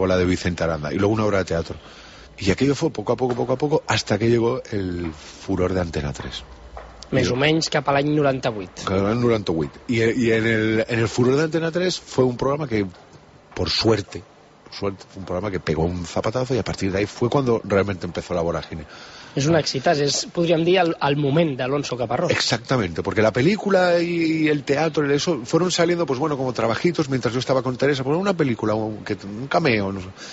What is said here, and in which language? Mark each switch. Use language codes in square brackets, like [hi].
[es] Luego la de Vicente Aranda y luego una obra de teatro. Y aquello fue poco a poco, hasta que llegó el furor de Antena 3. [ca] Més o menys cap a l'any 98. Cap a l'any 98. [es] Y en el furor de Antena 3 fue un programa que, por suerte, fue un programa que pegó un zapatazo y a partir de ahí fue cuando realmente empezó la vorágine. [ca] És un exitàs, és, podríem dir, el moment d'Alonso Caparrós. [es] Exactamente, porque la película y el teatro y eso fueron saliendo, pues bueno, como trabajitos mientras yo estaba con Teresa, pues una película, un cameo, no sé.